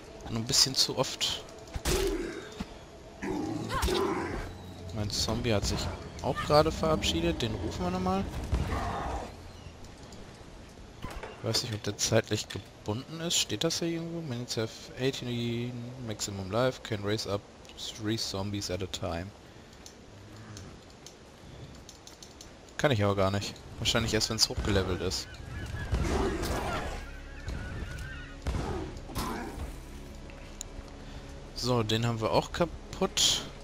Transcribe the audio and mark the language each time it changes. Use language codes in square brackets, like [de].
[de] Nur ein bisschen zu oft. Mein Zombie hat sich auch gerade verabschiedet. Den rufen wir nochmal. Ich weiß nicht, ob der zeitlich gebunden ist. Steht das hier irgendwo? [en] Minutes have 18 maximum life. Can raise up 3 zombies at a time. [de] Kann ich aber gar nicht. Wahrscheinlich erst, wenn es hochgelevelt ist. So, den haben wir auch kaputt.